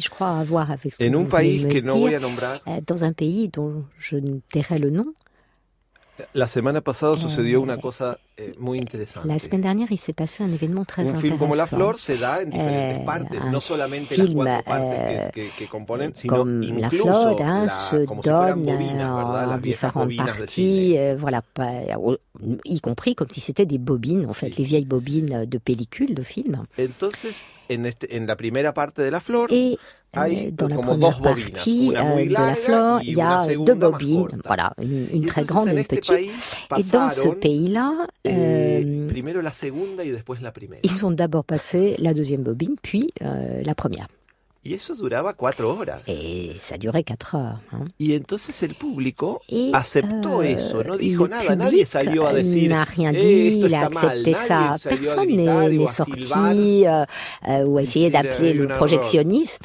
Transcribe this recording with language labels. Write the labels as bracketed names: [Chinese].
[French] je crois avoir avec ce que vous venez de me dire, dans un pays dont je ne dirai le nom. La semaine passée, [Spanish] sucedió una cosa muy interesante. [French] La semaine dernière, il s'est passé un événement très intéressant. Un film comme [Spanish] La Flore se da en diferentes partes, no solamente film, las cuatro partes que componen, sino [French] comme [Spanish] incluso [French] La Flore, hein, la, se donne en différentes parties, voilà, y compris comme si c'était des bobines en fait, les vieilles bobines de pellicule de film. [Spanish] Entonces, en la primera parte de La Flore, [French] dans la première partie de La Flore, il y a deux bobines, voilà, une très grande et une petite. Et dans ce pays-là, ils ont d'abord passé la deuxième bobine, puis la première. [Spanish] Y eso duraba 4 horas. [French] Et ça durait 4 heures. Hein. [Spanish] Y entonces el público aceptó eso, no dijo nada, nadie salió a decir. [French] N'a rien dit, il a accepté ça. Personne n'est sorti ou a essayé d'appeler le projectionniste.